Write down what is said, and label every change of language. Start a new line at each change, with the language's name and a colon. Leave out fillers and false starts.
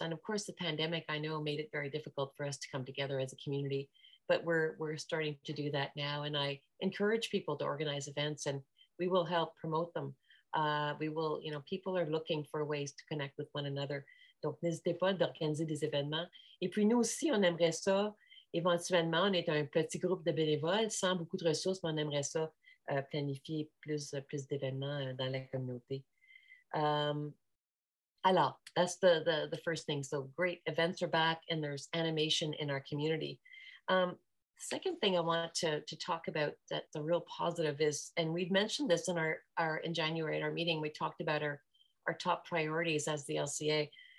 English: And of course the pandemic, I know, made it very difficult for us to come together as a community, but we're starting to do that now. And I encourage people to organize events and we will help promote them. We will, you know, people are looking for ways to connect with one another.
French: Donc, n'hésitez pas d'organiser des événements. Et puis, nous aussi, on aimerait ça, éventuellement, on est un petit groupe de bénévoles sans beaucoup de ressources, mais on aimerait ça planifier plus d'événements dans la communauté. Alors,
English: that's the first thing. So, great, events are back and there's animation in our community. Second thing I want to talk about that's a real positive is, and we've mentioned this in our in January at our meeting, we talked about our top priorities as the LCA.